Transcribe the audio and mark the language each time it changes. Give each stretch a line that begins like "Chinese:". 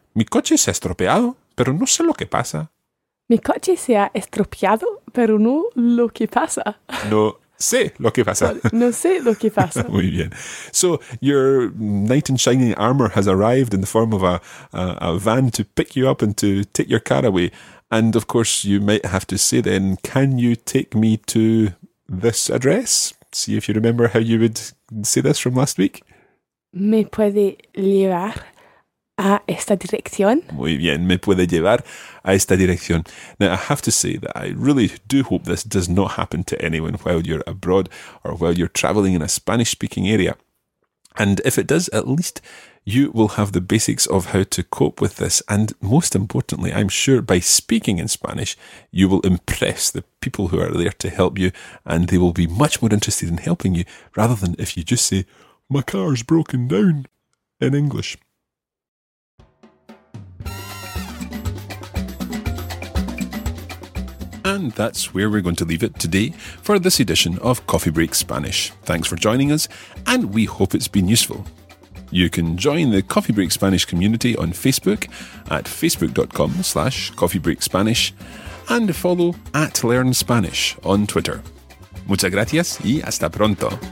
Spanish: Mi coche se ha estropeado, pero no sé lo que pasa. Mi coche se ha estropeado, pero no lo que pasa. No sé lo que pasa. No sé lo que pasa. Muy bien.
English: So your knight in shining armor has arrived in the form of a van to pick you up and to take your car away. And of course, you might have to say then, can you take me to this address? See if you remember how you would say this from last week.
Spanish: ¿Me puede llevar a esta dirección? Muy bien, me puede llevar a esta dirección.
English: Now, I have to say that I really do hope this does not happen to anyone while you're abroad or while you're travelling in a Spanish-speaking area. And if it does, at least you will have the basics of how to cope with this. And most importantly, I'm sure by speaking in Spanish, you will impress the people who are there to help you, and they will be much more interested in helping you rather than if you just say, my car's broken down in English. And that's where we're going to leave it today for this edition of Coffee Break Spanish. Thanks for joining us, and we hope it's been useful. You can join the Coffee Break Spanish community on Facebook at facebook.com/coffeebreakspanish and follow at Learn Spanish on Twitter.
Spanish: Muchas gracias y hasta pronto.